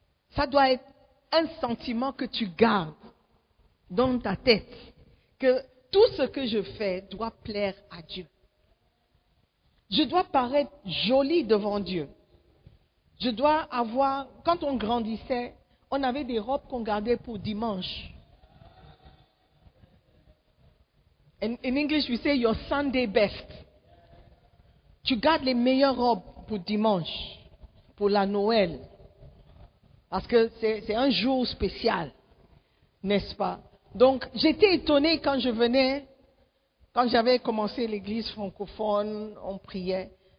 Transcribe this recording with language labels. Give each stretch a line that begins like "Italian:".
French: Ça doit être un sentiment que tu gardes dans ta tête, que tout ce que je fais doit plaire à Dieu. Je dois paraître jolie devant Dieu. Je dois avoir, quand on grandissait, on avait des robes qu'on gardait pour dimanche.
English: In English, we say your Sunday best.
French: Tu gardes les meilleures robes pour dimanche, pour la Noël. Parce que c'est un jour spécial, n'est-ce pas? Donc, j'étais étonnée quand je venais, quand j'avais commencé l'église francophone, on priait.